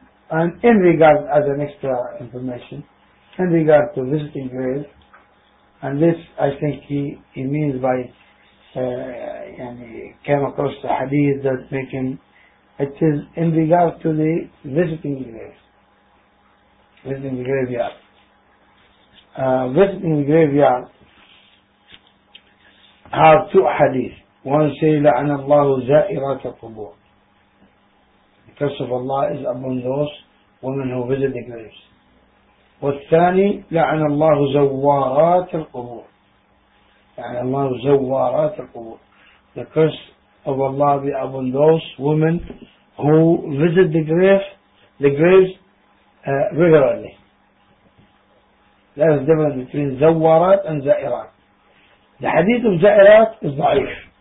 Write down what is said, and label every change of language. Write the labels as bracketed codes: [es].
[en] And in regard, as an extra information, in regard to visiting graves, and this I think he means by, and he came across the hadith that make him, it is in regard to the visiting graves. Visiting the graveyard. Visiting the graveyard have two hadith. One say [ar] لعن الله زائرات القبور. [en] The curse of Allah is upon those women who visit the graves. [ar] والثاني لعن الله زوارات القبور. لعن الله زوارات القبور. [en] The curse of Allah be upon those women who visit the grave. the graves regularly. There is a difference between Zawarat and Zairat. The hadith of Zairat is da'if.